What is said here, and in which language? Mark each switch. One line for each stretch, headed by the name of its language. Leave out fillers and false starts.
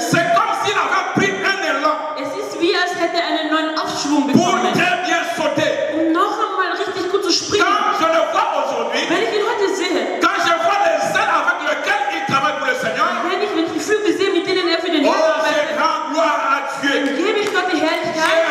French: C'est comme s'il avait pris un élan.
German: Es ist wie als hätte er einen neuen Aufschwung bekommen.
French: Pour très bien sauter.
German: Um noch einmal richtig gut zu springen.
French: Quand je le vois aujourd'hui.
German: Wenn ich ihn heute sehe.
French: Quand je vois les seuls avec lesquels il travaille pour le Seigneur.
German: Wenn ich mit Gefühl sehe, mit denen er für den Herrn arbeitet.
French: Oh, rend gloire à Dieu.
German: Dann gebe ich Gott die Herrlichkeit.